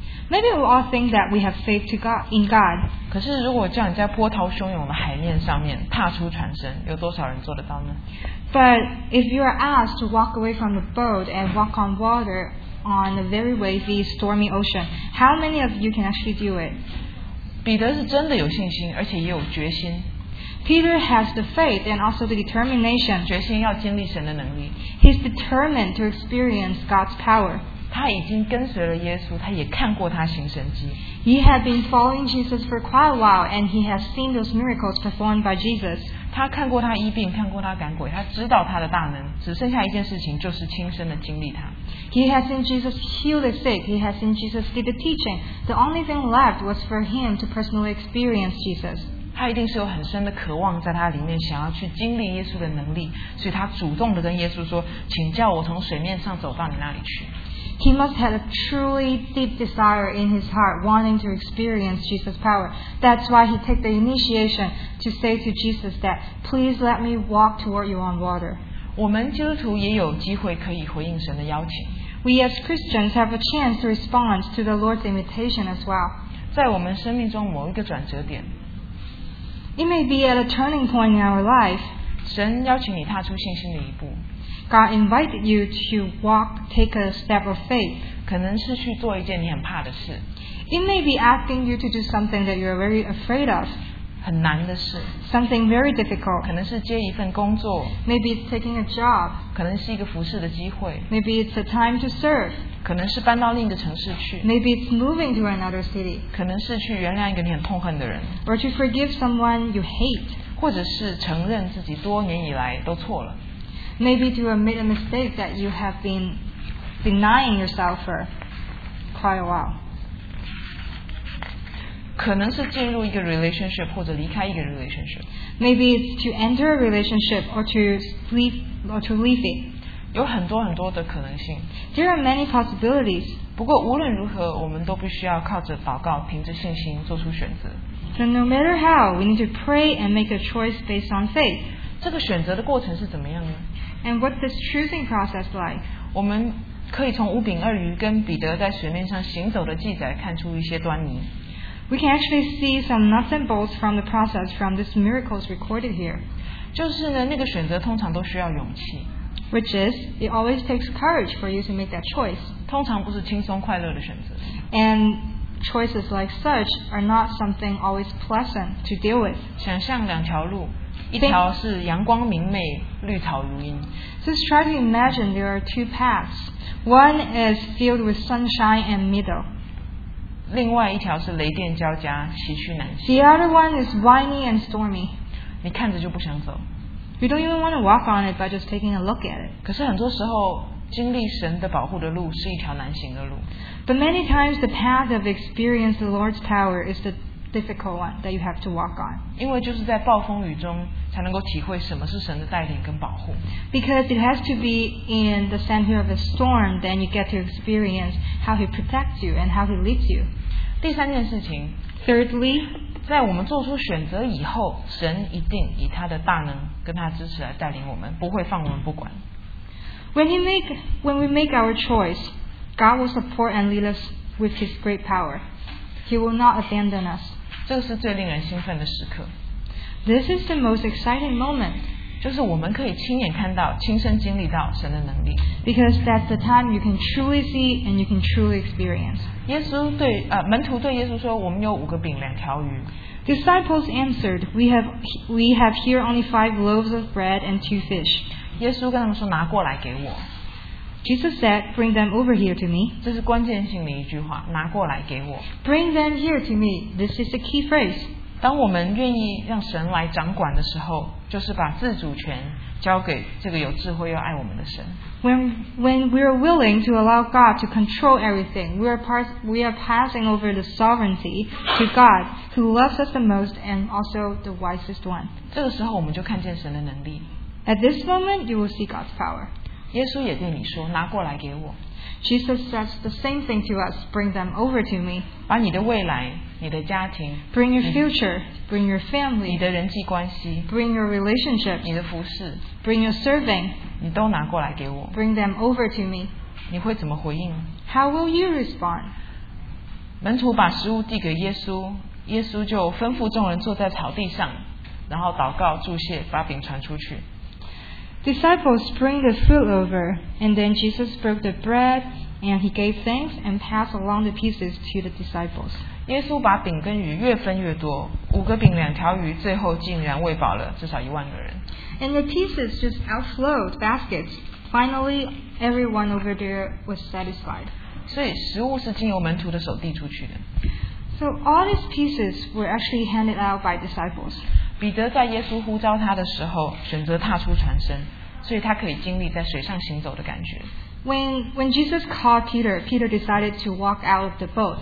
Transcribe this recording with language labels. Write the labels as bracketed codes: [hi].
[en] Maybe we all think that we have faith to God, in God. [zh] 可是如果叫你在波涛汹涌的海面上面踏出船身，有多少人做得到呢？ [en] But if you are asked to walk away from the boat and walk on water on a very wavy, stormy ocean, how many of you can actually do it? [zh] 彼得是真的有信心，而且也有决心。 [en] Peter has the faith and also the determination. [zh] 决心要经历神的能力。 [en] He's determined to experience God's power. [zh] 他已经跟随了耶稣，他也看过他行神迹。 [en] He had been following Jesus for quite a while, and he has seen those miracles performed by Jesus. [zh] 他看过他医病，看过他赶鬼，他知道他的大能。只剩下一件事情，就是亲身的经历他。 [en] He has seen Jesus heal the sick. He has seen Jesus did the teaching. The only thing left was for him to personally experience Jesus. [zh] 他一定是有很深的渴望在他里面，想要去经历耶稣的能力，所以他主动的跟耶稣说：“请叫我从水面上走到你那里去。” [en] He must have a truly deep desire in his heart, wanting to experience Jesus' power. That's why he took the initiation to say to Jesus that, "Please let me walk toward you on water." [zh] 我们基督徒也有机会可以回应神的邀请。 [en] We as Christians have a chance to respond to the Lord's invitation as well. [zh] 在我们生命中某一个转折点。 [en] It may be at a turning point in our life. [zh] 神邀请你踏出信心的一步。 [en] God invited you to walk, take a step of faith. [zh] 可能是去做一件你很怕的事。 [en] It may be asking you to do something that you're very afraid of. [zh] 很难的事。 [en] Something very difficult. [zh] 可能是接一份工作。 [en] Maybe it's taking a job. [zh] 可能是一个服事的机会。 [en] Maybe it's a time to serve. [zh] 可能是搬到另一个城市去。 [en] Maybe it's moving to another city. [zh] 可能是去原谅一个你很痛恨的人。 [en] Or to forgive someone you hate. [zh] 或者是承认自己多年以来都错了。 [en] Maybe to admit a mistake that you have been denying yourself for quite a while. [zh] 可能是进入一个 relationship 或者离开一个 relationship. [en] Maybe it's to enter a relationship or to leave it. [zh] 有很多很多的可能性。 [en] There are many possibilities. [zh] 不过无论如何，我们都必须要靠着祷告，凭着信心做出选择。 [en] So no matter how, we need to pray and make a choice based on faith. [zh] 这个选择的过程是怎么样呢？ [en] And what's this choosing process like? [zh] 我们可以从五饼二鱼跟彼得在水面上行走的记载看出一些端倪。 [en] We can actually see some nuts and bolts from the process from these miracles recorded here. [zh] 就是呢，那个选择通常都需要勇气。 [en] Which is, it always takes courage for you to make that choice. [zh] 通常不是轻松快乐的选择。 [en] And choices like such are not something always pleasant to deal with. [zh] 想象两条路，一条是阳光明媚，绿草如茵。 [en] Just try to imagine there are two paths. One is filled with sunshine and meadow. [zh] 另外一条是雷电交加，崎岖难行。 [en] The other one is windy and stormy. [zh] 你看着就不想走。 [en] You don't even want to walk on it by just taking a look at it. [zh] 可是很多时候，经历神的保护的路是一条难行的路。 [en] But many times the path of experiencing the Lord's power is the difficult one that you have to walk on. [zh] 因为就是在暴风雨中才能够体会什么是神的带领跟保护。 [en] Because it has to be in the center of a storm, then you get to experience how he protects you and how he leads you. [zh] 第三件事情。 [en] Thirdly, [zh] 在我们做出选择以后，神一定以他的大能跟他支持来带领我们，不会放我们不管。 [en] When we make our choice, God will support and lead us with His great power. He will not abandon us. [zh] 这是最令人兴奋的时刻。 [en] This is the most exciting moment. [zh] 就是我们可以亲眼看到、亲身经历到神的能力。 [en] Because that's the time you can truly see and you can truly experience. [zh] 耶稣对门徒对耶稣说：“我们有五个饼，两条鱼。” [en] Disciples answered, "We have here only 5 loaves of bread and 2 fish." [zh] 耶稣跟他们说：“拿过来给我。” [en] Jesus said, "Bring them over here to me." [zh] 这是关键性的一句话，拿过来给我。 [en] Bring them here to me. This is a key phrase. [zh] 当我们愿意让神来掌管的时候，就是把自主权交给这个有智慧又爱我们的神。 [en] When we are willing to allow God to control everything, we are passing over the sovereignty to God, who loves us the most and also the wisest one. [zh] 这个时候我们就看见神的能力。 [en] At this moment, you will see God's power. [zh] 耶稣也对你说，拿过来给我。 [en] Jesus says the same thing to us, bring them over to me. [zh] 把你的未来，你的家庭。 [en] Bring your future, bring your family. [zh] 你的人际关系。 [en] Bring your relationships. [zh] 你的服事。 [en] Bring your serving. [zh] 你都拿过来给我。 [en] Bring them over to me. [zh] 你会怎么回应？ [en] How will you respond? [zh] 门徒把食物递给耶稣，耶稣就吩咐众人坐在草地上，然后祷告、祝谢，把饼传出去。 [en] Disciples bring the food over, and then Jesus broke the bread, and he gave thanks and passed along the pieces to the disciples. [zh] 耶稣把饼跟鱼越分越多，五个饼两条鱼，最后竟然喂饱了至少一万个人。 [en] And the pieces just outflowed baskets. Finally, everyone over there was satisfied. [zh] 所以食物是经由门徒的手递出去的。 [en] So all these pieces were actually handed out by disciples. [zh] 彼得在耶稣呼召他的时候，选择踏出船身，所以他可以经历在水上行走的感觉。 [en] When Jesus called Peter, Peter decided to walk out of the boat.